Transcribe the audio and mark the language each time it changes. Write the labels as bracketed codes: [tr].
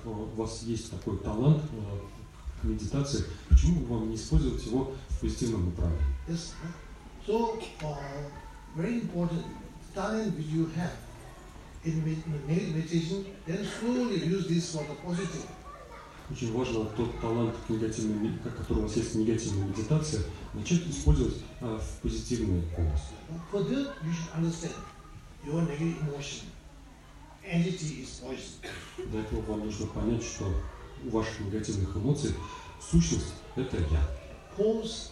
[ru] У вас есть такой талант к медитации. Почему бы вам не использовать его в позитивном направлении? [en] Yes. So, very important, talent which you have in meditation, then slowly use this for the positive. [ru] Очень важно тот талант, который у вас есть в негативной медитации, начать использовать в позитивную полосу. Для этого вам нужно понять, что у ваших негативных эмоций сущность – это я.